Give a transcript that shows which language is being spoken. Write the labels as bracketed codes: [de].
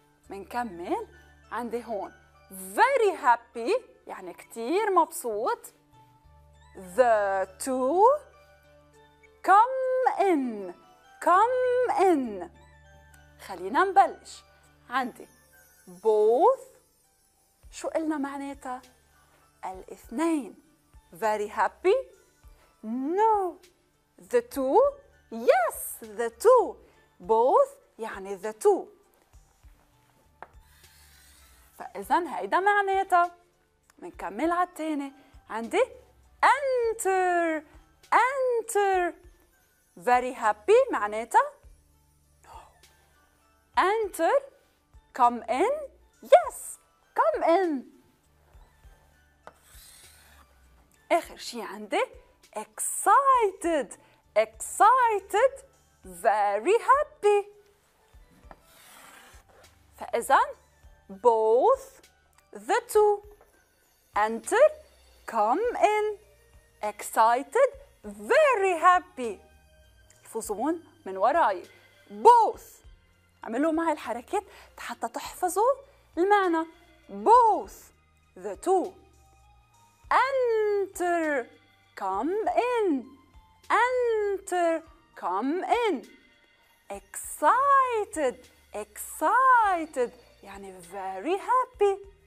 [ar] منكمل عندي هون [en] very happy [ar] يعني كتير مبسوط. [en] the two come in come in. [ar] خلينا نبلش. عندي both شو قلنا معناتها؟ الاثنين. [en] very happy no the two yes the two both [ar] يعني [en] the two. [ar] فإذا هيدا معناتها. منكمل على التاني. [en] عندي enter enter very happy [ar] معناتها [en] enter come in yes come in. [ar] آخر شي عندي [en] excited excited very happy. [ar] فإذا [en] both the two enter come in excited very happy. [ar] الفصول من وراي both. عملوا معي الحركات حتى تحفظوا المعنى. [en] both the two enter come in enter come in excited excited [ar] يعني [en] very happy.